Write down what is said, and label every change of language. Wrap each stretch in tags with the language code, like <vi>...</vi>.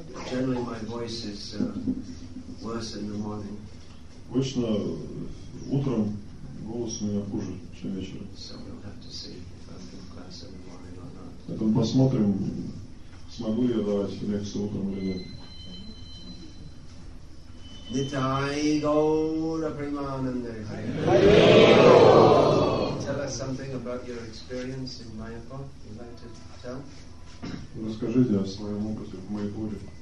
<en>Generally my voice is worse in the morning.</en> <ru>Обычно утром голос у меня хуже, чем вечером.</ru> <en>So we'll have to see if I'll give class in the morning or not.</en> <ru>Потом посмотрим, смогу ли я давать лекцию утром или нет.</ru> <en>Nitai Gaura Premananda. Tell us something about your experience in Mayapur. You'd like to tell?</en> <ru>Расскажите о своем опыте в Майпуре.</ru>